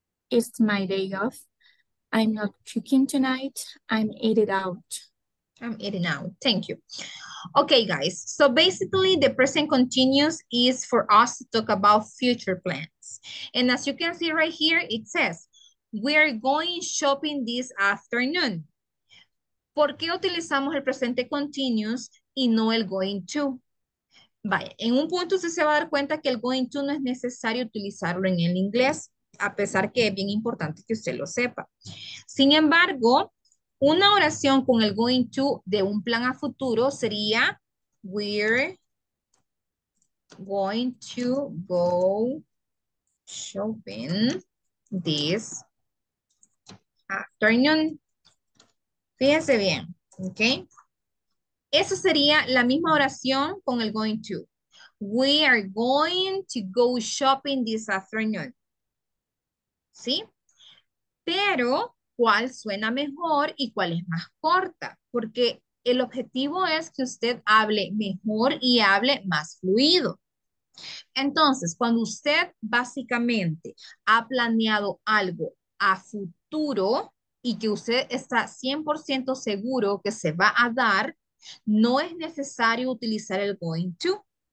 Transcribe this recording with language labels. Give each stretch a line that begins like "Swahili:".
English: It's my day off. I'm not cooking tonight. I'm eating out. I'm eating out. Thank you. Okay, guys. So basically, the present continuous is for us to talk about future plans. And as you can see right here, it says, we're going shopping this afternoon.
Spanish: ¿Por qué utilizamos el presente continuous y no el going to? Vaya, en un punto usted se va a dar cuenta que el going to no es necesario utilizarlo en el inglés, a pesar que es bien importante que usted lo sepa. Sin embargo, una oración con el going to de un plan a futuro sería
English: we're going to go shopping this afternoon.
Spanish: Fíjense bien, ¿ok? Esa sería la misma oración con el going to.
English: We are going to go shopping this afternoon.
Spanish: ¿Sí? Pero, ¿cuál suena mejor y cuál es más corta? Porque el objetivo es que usted hable mejor y hable más fluido. Entonces, cuando usted básicamente ha planeado algo a futuro y que usted está 100% seguro que se va a dar, no es necesario utilizar el going to.